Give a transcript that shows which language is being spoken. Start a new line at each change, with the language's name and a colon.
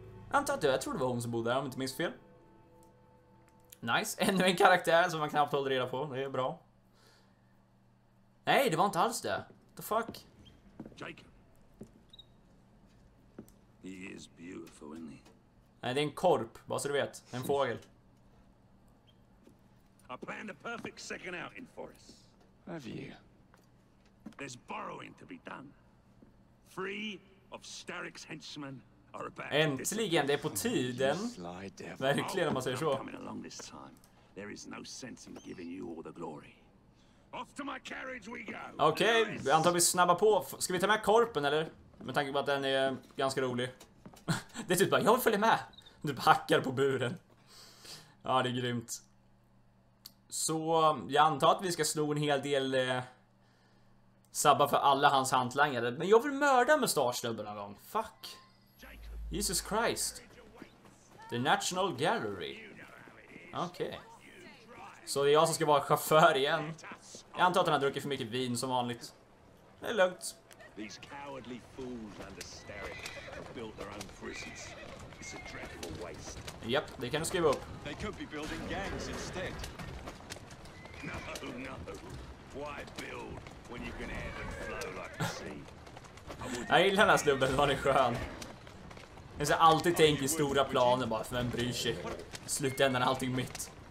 Swedish: Anta att jag tror det var hon som bodde där, om inte minns fel. Nice. Ännu en karaktär som man knappt håller reda på. Det är bra. Nej, det var inte alls det.
English: What the fuck? Jake. He is beautiful, isn't he?
Swedish: Nej, det är en korp, bara så du vet. En fågel.
English: I planned a perfect second outing for us. Have you? There's borrowing to be done. Three of Starek's henchmen are about.
Swedish: Äntligen, det är på tiden. Verkligen, om man säger så.
English: Coming along this time. There is no sense in giving you all the glory. Off to my carriage we go. Okej, okay,
Swedish: antar vi snabba på. Ska vi ta med korpen eller? Med tanke på att den är ganska rolig. Det är typ bara, jag vill följa med. Du hackar på buren. Ja, det är grymt. Så jag antar att vi ska sno en hel del sabba för alla hans hantlangare. Men jag vill mörda mustaschnubben någon gång.
English: Fuck. Jesus Christ. The National Gallery. Okej. Okay.
Swedish: Så det är jag som ska vara chaufför igen. Jag antar att han har druckit för mycket vin som vanligt. Det är lugnt.
English: These cowardly fools under Starek built their own prisons. It's a dreadful waste. Yep, they can escape up. They could be building gangs instead. No, no. Why build when you can ebb and flow like the sea?
Swedish: Jag gillar den här snubben, var det skön. Jag ser alltid tänkt i stora planer bara, för vem bryr sig? Slutändan är allting mitt.